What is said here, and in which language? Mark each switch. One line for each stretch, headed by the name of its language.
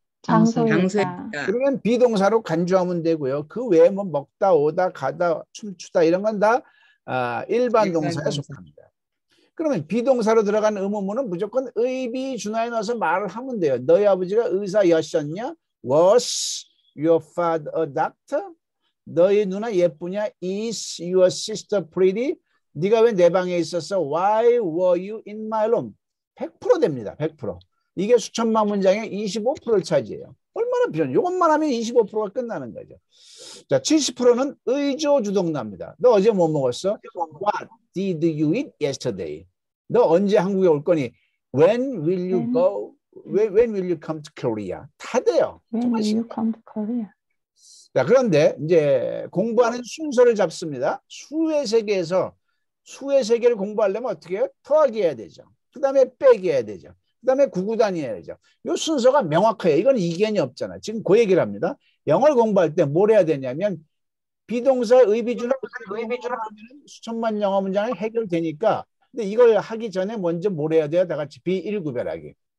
Korean: 장소에 장소에 있다. 그러면 비동사로 간주하면 되고요. 그 외에 뭐 먹다, 오다, 가다, 춤추다 이런 건다 일반 동사에 일반 동사. 속합니다. 그러면 비동사로 들어간 의문문은 무조건 의비준화에 넣어서 말을 하면 돼요. 너희 아버지가 의사였었냐?
English: Was your father a doctor?
Korean: 너희 누나 예쁘냐?
English: Is your sister pretty?
Korean: 네가 왜내 방에 있었어?
English: Why were you in my room? 100%
Korean: 됩니다.
English: 100%.
Korean: 이게 수천만 문장의 25%를 차지해요. 얼마나 필요해? 이것만 하면 25%가 끝나는 거죠. 자, 70%는 의조주동사입니다. 너 어제 뭐 먹었어?
English: What did you eat yesterday?
Korean: 너 언제 한국에 올 거니?
English: When will you go? When will you come to Korea?
Korean: 다 돼요.
English: When
Korean: 정말
English: will you come to Korea?
Korean: 자, 그런데 이제 공부하는 순서를 잡습니다. 수의 세계에서 수의 세계를 공부하려면 어떻게 해요? 더하기 해야 되죠. 그 다음에 빼기 해야 되죠. 그 다음에 구구단이 해야 되죠. 요 순서가 명확해요. 이건 이견이 없잖아. 지금 그 얘기를 합니다. 영어를 공부할 때뭘 해야 되냐면 비동사 의비준화 수천만 영어 문장이 해결되니까 근데 이걸 하기 전에 먼저 뭘 해야 돼요? 다 같이 비일 구별하기.